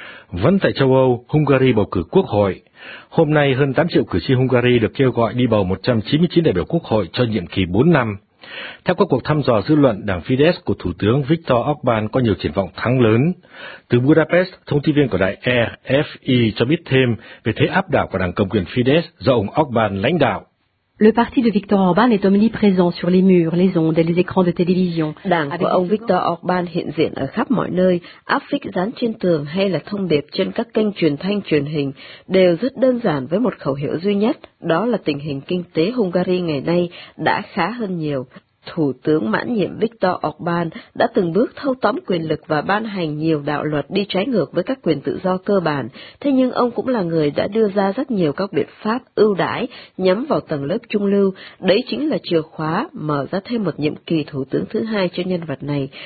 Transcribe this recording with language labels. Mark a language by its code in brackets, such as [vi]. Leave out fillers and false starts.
[vi] Vẫn tại châu Âu, Hungary bầu cử quốc hội. Hôm nay, hơn 8 triệu cử tri Hungary được kêu gọi đi bầu 199 đại biểu quốc hội cho nhiệm kỳ 4 năm. Theo các cuộc thăm dò dư luận, đảng Fidesz của Thủ tướng Viktor Orbán có nhiều triển vọng thắng lớn. Từ Budapest, thông tin viên của đài RFI cho biết thêm về thế áp đảo của đảng cầm quyền Fidesz do ông Orbán lãnh đạo. [fr] Le parti de Viktor Orbán est omniprésent sur les murs, les ondes et les écrans de télévision. [vi] Đảng của ông Viktor Orbán hiện diện ở khắp mọi nơi, áp phích dán trên tường hay là thông điệp trên các kênh truyền thanh truyền hình đều rất đơn giản với một khẩu hiệu duy nhất, đó là tình hình kinh tế Hungary ngày nay đã khá hơn nhiều. Thủ tướng mãn nhiệm Viktor Orbán đã từng bước thâu tóm quyền lực và ban hành nhiều đạo luật đi trái ngược với các quyền tự do cơ bản, thế nhưng ông cũng là người đã đưa ra rất nhiều các biện pháp ưu đãi nhắm vào tầng lớp trung lưu, đấy chính là chìa khóa mở ra thêm một nhiệm kỳ thủ tướng thứ hai cho nhân vật này.